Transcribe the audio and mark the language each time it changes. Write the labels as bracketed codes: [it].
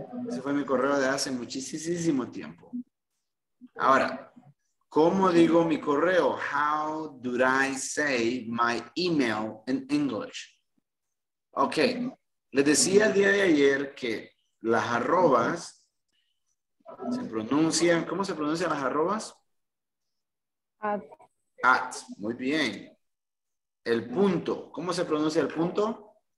[es] Ese fue mi correo de hace muchísimo tiempo. Ahora, ¿cómo digo mi correo? [en] How do I say my email in English? Ok. [es] Les decía el día de ayer que las arrobas se pronuncian. ¿Cómo se pronuncian las arrobas? [en] At. [es] At. Muy bien. El punto. ¿Cómo se pronuncia el punto?